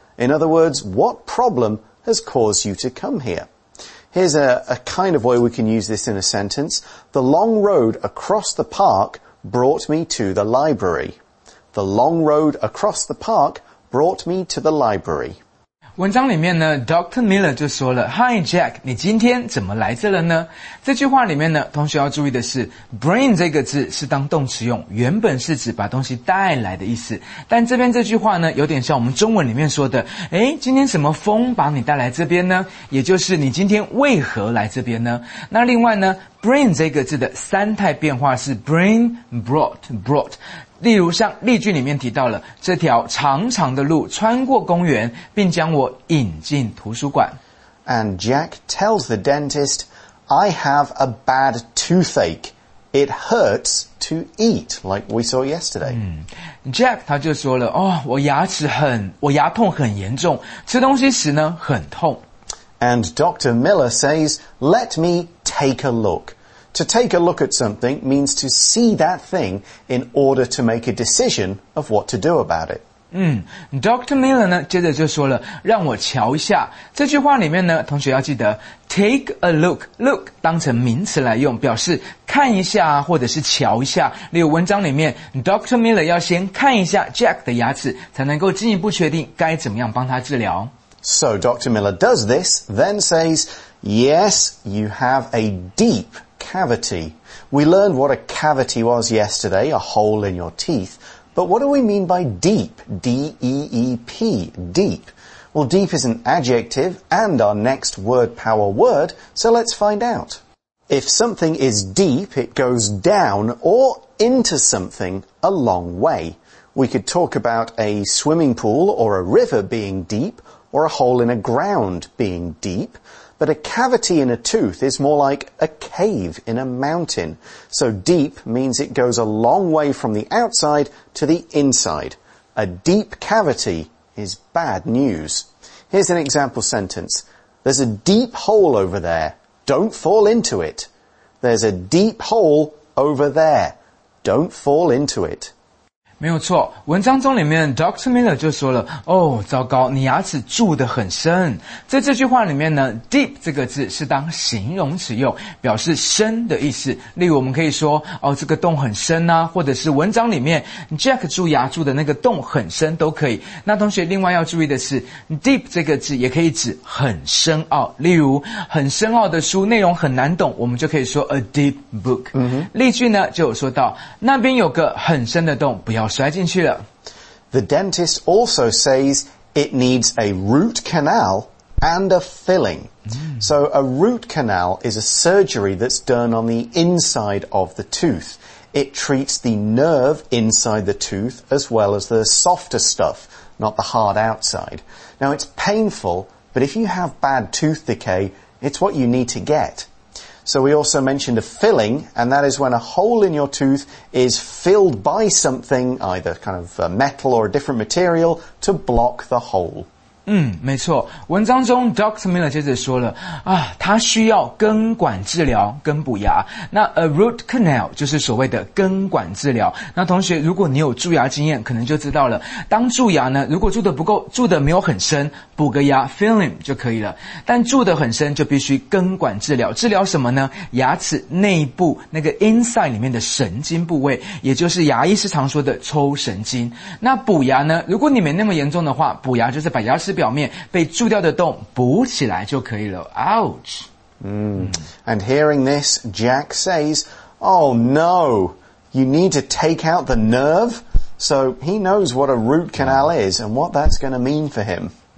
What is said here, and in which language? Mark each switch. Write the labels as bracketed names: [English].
[English] In other words, what problem has caused you to come here? Here's a kind of way we can use this in a sentence. The long road across the park brought me to the library. The long road across the park brought me to the library. [Chinese] 文章里面呢 ,Dr. Miller 就说了 ,Hi Jack, 你今天怎么来这了呢？这句话里面呢同学要注意的是 ,bring 这个字是当动词用，原本是指把东西带来的意思。但这边这句话呢有点像我们中文里面说的诶今天什么风把你带来这边呢，也就是你今天为何来这边呢。那另外呢 ,bring 这个字的三态变化是 bring, brought, brought。例如像例句里面提到了这条长长的路穿过公园并将我引进图书馆。 [English] And Jack tells the dentist, I have a bad toothache. It hurts to eat, like we saw yesterday. [Chinese] Jack 他就说了、哦、我牙痛很严重吃东西时呢很痛。 [English] And Dr. Miller says, let me take a look. To take a look at something means to see that thing in order to make a decision of what to do about it. Dr. [Chinese] Miller 呢接着就说了让我瞧一下。这句话里面呢同学要记得 take a look, look 当成名词来用表示看一下或者是瞧一下。例如文章里面 Dr. Miller 要先看一下 Jack 的牙齿才能够进一步确定该怎么样帮他治疗。 [English] So Dr. Miller does this, then says, yes, you have a deep,cavity. We learned what a cavity was yesterday, a hole in your teeth. But what do we mean by deep? D-E-E-P, deep. Well, deep is an adjective and our next word power word, so let's find out. If something is deep, it goes down or into something a long way. We could talk about a swimming pool or a river being deep or a hole in a ground being deep. But a cavity in a tooth is more like a cave in a mountain. So deep means it goes a long way from the outside to the inside. A deep cavity is bad news. Here's an example sentence. There's a deep hole over there. Don't fall into it. There's a deep hole over there. Don't fall into it. [Chinese] 没有错，文章中里面 Dr. Miller 就说了哦，糟糕，你牙齿蛀得很深。在这句话里面呢 deep 这个字是当形容词用，表示深的意思。例如我们可以说哦，这个洞很深啊，或者是文章里面 Jack 蛀牙蛀的那个洞很深都可以。那同学另外要注意的是 deep 这个字也可以指很深奥，例如很深奥的书内容很难懂，我们就可以说 [English] a deep book、 [Chinese] 例句呢就有说到那边有个很深的洞，不要摔进去了。 [English] The dentist also says it needs a root canal and a filling. So a root canal is a surgery that's done on the inside of the tooth. It treats the nerve inside the tooth as well as the softer stuff, not the hard outside. Now, it's painful, but if you have bad tooth decay, it's what you need to get. So we also mentioned a filling, and that is when a hole in your tooth is filled by something, either kind of metal or a different material, to block the hole. [Chinese] 嗯，没错。文章中 ，Dr. Miller 接着说了，啊，他需要根管治疗，根补牙。那 a root canal 就是所谓的根管治疗。那同学，如果你有蛀牙经验，可能就知道了。当蛀牙呢，如果蛀得不够，蛀得没有很深，补个牙 filling 就可以了。但蛀得很深，就必须根管治疗。治疗什么呢？牙齿内部那个 inside 里面的神经部位，也就是牙医是常说的抽神经。那补牙呢？如果你没那么严重的话，补牙就是把牙齿表面被蛀掉的洞补起来就可以了。 [English] Ouch! And hearing this, Jack says, oh no, you need to take out the nerve? So he knows what a root canal is and what that's going to mean for him.